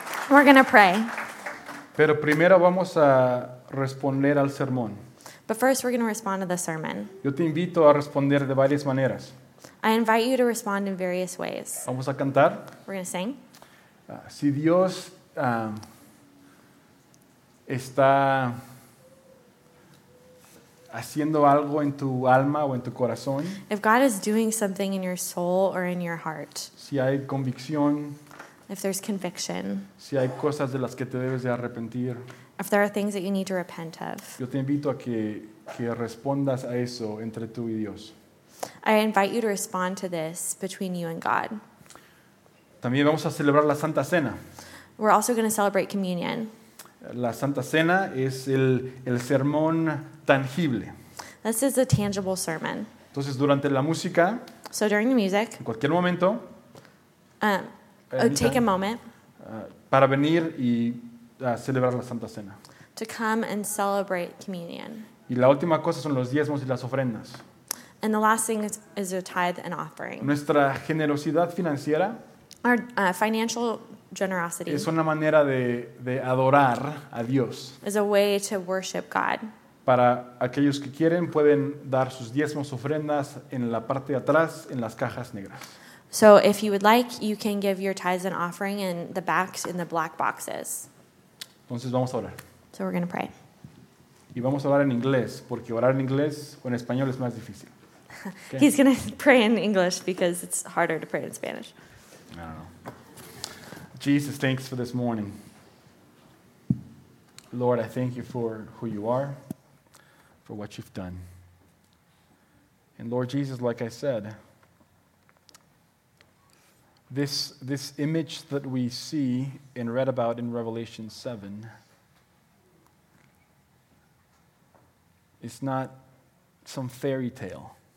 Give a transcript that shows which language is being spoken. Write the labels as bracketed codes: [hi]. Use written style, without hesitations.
[en] We're going to pray. [es] Pero primero vamos a responder al sermón. [en] But first we're going to respond to the sermon. [es] Yo te invito a responder de varias maneras. [en] I invite you to respond in various ways. [es] Vamos a cantar. [en] We're going to sing. [es] Si Dios está haciendo algo en tu alma o en tu corazón. [en] If God is doing something in your soul or in your heart. [es] Si hay convicción. [en] If there's conviction. [es] Si hay cosas de las que te debes de arrepentir. [en] If there are things that you need to repent of. [es] Yo te invito a que respondas a eso entre tú y Dios. [en] I invite you to respond to this between you and God. [es] También vamos a celebrar la Santa Cena. [en] We're also going to celebrate communion. [es] La Santa Cena es el sermón tangible. [en] This is a tangible sermon. [es] Entonces, durante la música. [en] So during the music. [es] En cualquier momento. [en] Take a moment. [es] Para venir y celebrar la Santa Cena. [en] To come and celebrate communion. [es] Y la última cosa son los diezmos y las ofrendas. [en] And the last thing is a tithe and offering. [es] Nuestra generosidad financiera. [en] Our financial generosity. [es] Es una manera de adorar a Dios. [en] Is a way to worship God. [es] Para aquellos que quieren pueden dar sus diezmos ofrendas en la parte de atrás en las cajas negras. [en] So if you would like, you can give your tithes and offering in the back in the black boxes. [es] Entonces vamos a orar. [en] So we're going to pray. [es] Y vamos a orar en inglés porque orar en inglés o en español es más difícil. [en] Okay. He's going to pray in English because it's harder to pray in Spanish. I don't know. Jesus, thanks for this morning. Lord, I thank you for who you are, for what you've done. And Lord Jesus, like I said, this image that we see and read about in Revelation 7 is not some fairy tale.